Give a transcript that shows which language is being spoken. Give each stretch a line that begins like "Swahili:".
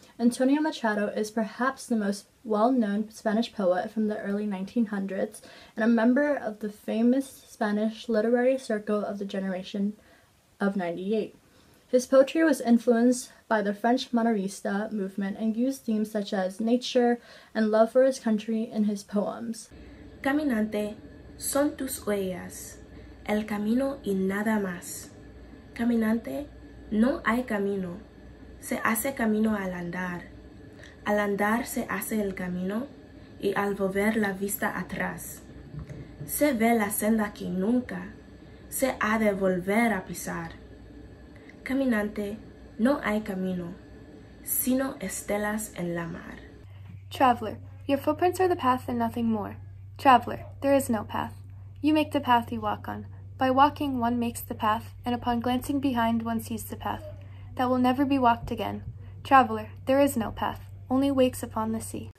English: Antonio Machado is perhaps the most well-known Spanish poet from the early 1900s and a member of the famous Spanish literary circle of the generation of 98. His poetry was influenced by the French Manierista movement and used themes such as nature and love for his country in his poems.
Spanish: Caminante, son tus huellas, el camino y nada más. Caminante, no hay camino, se hace camino al andar. Al andar se hace el camino y al volver la vista atrás. Se ve la senda que nunca se ha de volver a pisar. Caminante, no hay camino, sino estelas en la mar.
English: Traveler, your footprints are the path and nothing more. Traveler, there is no path. You make the path you walk on. By walking, one makes the path, and upon glancing behind, one sees the path that will never be walked again. Traveler, there is no path, only wakes upon the sea.